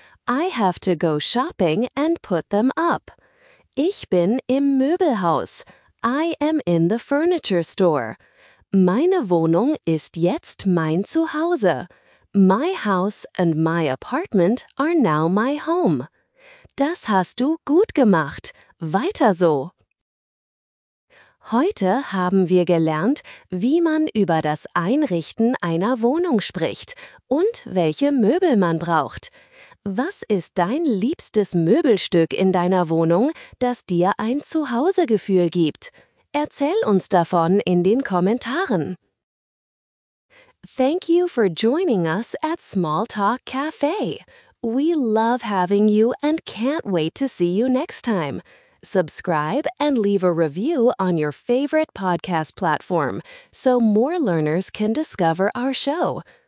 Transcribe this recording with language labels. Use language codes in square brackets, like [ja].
[en] I have to go shopping and put them up. [de] Ich bin im Möbelhaus. [en] I am in the furniture store. [de] Meine Wohnung ist jetzt mein Zuhause. [en] My house and my apartment are now my home. [de] Das hast du gut gemacht. Weiter so. Heute haben wir gelernt, wie man über das Einrichten einer Wohnung spricht und welche Möbel man braucht. Was ist dein liebstes Möbelstück in deiner Wohnung, das dir ein Zuhausegefühl gibt? Erzähl uns davon in den Kommentaren. [en] Thank you for joining us at Small Talk Cafe. We love having you and can't wait to see you next time. Subscribe and leave a review on your favorite podcast platform so more learners can discover our show.